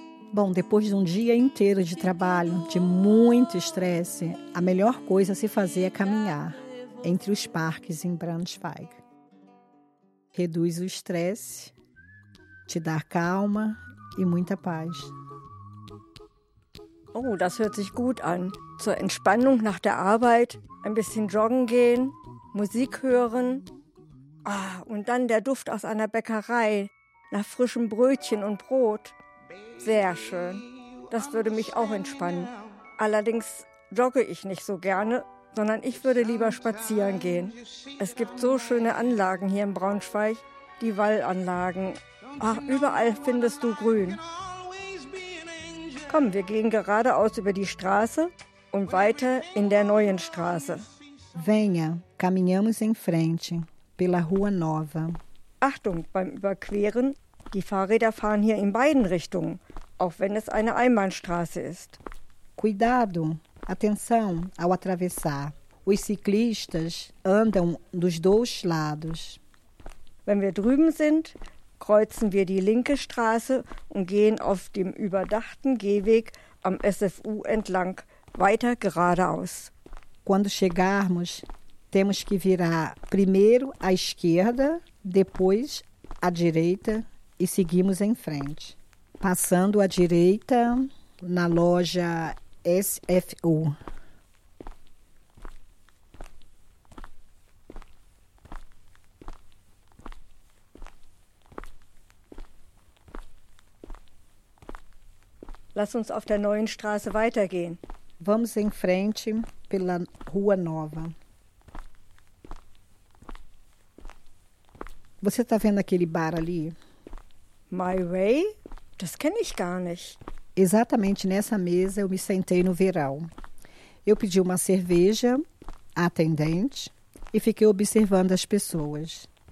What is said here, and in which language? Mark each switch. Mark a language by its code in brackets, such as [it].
[pt] Bom, depois de um dia inteiro de trabalho, de muito estresse, a melhor coisa a se fazer é caminhar entre os parques em Braunschweig. Reduz o estresse, te dá calma e muita paz. [de] Oh, das hört sich gut an. Zur Entspannung nach der Arbeit, ein bisschen joggen gehen, Musik hören. Ah, und dann der Duft aus einer Bäckerei, nach frischem Brötchen und Brot. Sehr schön. Das würde mich auch entspannen. Allerdings jogge ich nicht so gerne, sondern ich würde lieber spazieren gehen. Es gibt so schöne Anlagen hier in Braunschweig, die Wallanlagen. Ach, überall findest du Grün. Komm, wir gehen geradeaus über die Straße und weiter in der neuen Straße. [pt] Venha, caminhamos em frente, pela Rua Nova. [de] Achtung beim Überqueren, die Fahrräder fahren hier in beiden Richtungen. auch wenn es eine Einbahnstraße ist. [pt] Cuidado, atenção ao atravessar. Os ciclistas andam dos dois lados. [de] Wenn wir drüben sind, kreuzen wir die linke Straße und gehen auf dem überdachten Gehweg am SFU entlang weiter geradeaus. [pt] Quando chegarmos, temos que virar primeiro à esquerda, depois à direita e seguimos em frente, passando à direita na loja SFU. [de] Lass uns auf der neuen Straße weitergehen. [pt] Vamos em frente pela Rua Nova. Você está vendo aquele bar ali? [de] My Way? Das kenne ich gar nicht. [pt] Exatamente nessa mesa eu me sentei no verão. Eu pedi uma cerveja à atendente e fiquei observando as pessoas.